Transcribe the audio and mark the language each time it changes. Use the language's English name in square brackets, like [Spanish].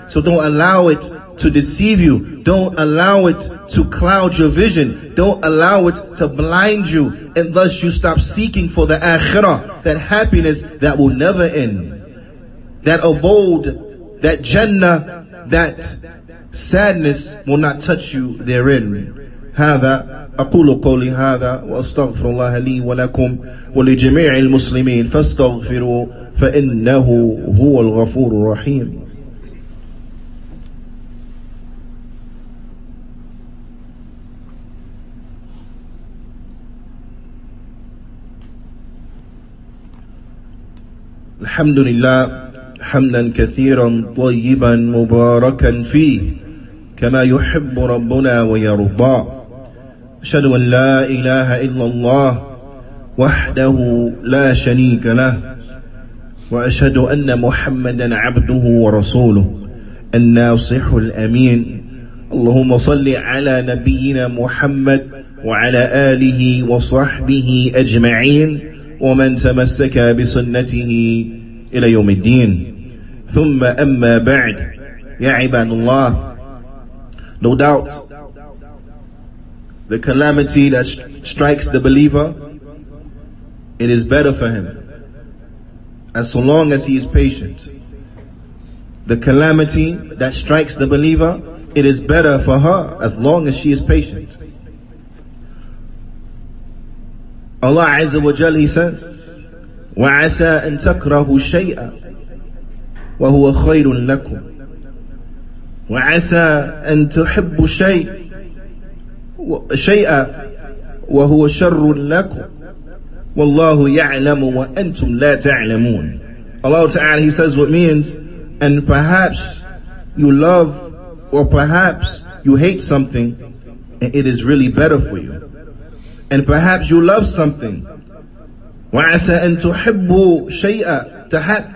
[English] So don't allow it to deceive you. Don't allow it to cloud your vision. Don't allow it to blind you. And thus you stop seeking for the akhirah, that happiness that will never end. That abode, that jannah, that sadness will not touch you therein. [Arabic] هذا أقول قولي هذا وأستغفر الله لي ولكم ولجميع المسلمين فاستغفروا فإنه هو الغفور الرحيم. الحمد لله حمدا كثيرا طيبا مباركا فيه كما يحب ربنا ويرضى أشهد أن لا إله إلا الله وحده لا شريك له وأشهد أن محمدا عبده ورسوله الناصح الأمين اللهم صل على نبينا محمد وعلى آله وصحبه أجمعين ومن تمسك بسنته إلى يوم الدين ثم أما بعد يا عباد الله. [English] No doubt, the calamity that strikes the believer, it is better for him as so long as he is patient. The calamity that strikes the believer, it is better for her as long as she is patient. Allah Azza wa Jalla, he says, [Arabic] وَعَسَىٰ أَن تَكْرَهُ شَيْئًا وهو خير لكم وعسى أن تحبوا شيئا وهو شر لكم والله يعلم وأنتم لا تعلمون. [English] Allah Ta'ala, he says what means, and perhaps you love or perhaps you hate something and it is really better for you. And perhaps you love something. [Arabic] وَعَسَىٰ أَن تُحِبُّوا شَيْئًا.